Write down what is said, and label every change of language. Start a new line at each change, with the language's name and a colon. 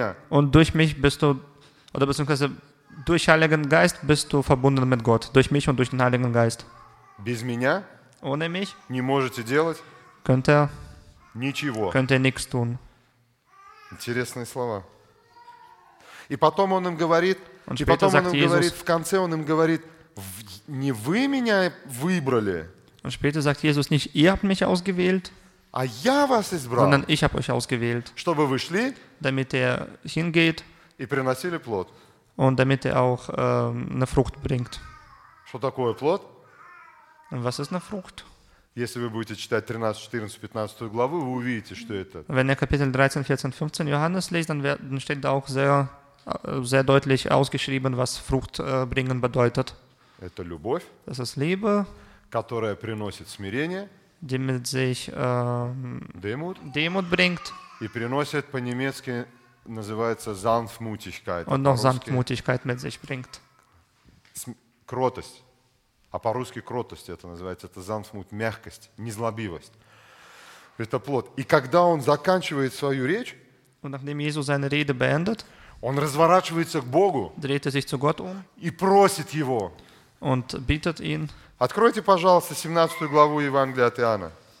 German: Und durch mich bist du, oder beziehungsweise durch Heiligen Geist bist du verbunden mit Gott. Durch mich und durch den Heiligen Geist. Ohne mich könnt ihr nichts tun. Interessante Worte.
Russian: Und потом он им говорит,
German: und später sagt Jesus,
Russian: в конце он им говорит, не вы меня выбрали.
German: Und später sagt Jesus nicht, ihr habt mich ausgewählt,
Russian: а я вас избрал,
German: sondern ich habe euch ausgewählt,
Russian: чтобы вы шли,
German: damit ihr hingeht
Russian: и приносили плод.
German: Und damit ihr auch eine Frucht bringt.
Russian: Что такое плод?
German: Was ist eine Frucht?
Russian: Если вы будете читать 13, 14, 15 главу, вы увидите, что это.
German: Wenn ihr Kapitel 13, 14, 15 Johannes liest, dann steht da auch sehr, sehr deutlich ausgeschrieben, was Frucht bringen bedeutet.
Russian: Это любовь,
German: das ist Liebe,
Russian: которая приносит смирение,
German: die mit sich Demut bringt,
Russian: и приносит по-немецки, называется Sanftmutigkeit,
German: und noch Sanftmutigkeit mit sich bringt.
Russian: Кротость. А по-русски кротость это называется, это Sanftmut, мягкость, незлобивость. Это плод. И когда он заканчивает свою речь,
German: und nachdem Jesus seine Rede beendet,
Russian: он разворачивается к Богу,
German: dreht sich zu Gott um,
Russian: и просит его.
German: Und bittet ihn.
Russian: Откройте, пожалуйста, 17 главу Евангелия от Иоанна.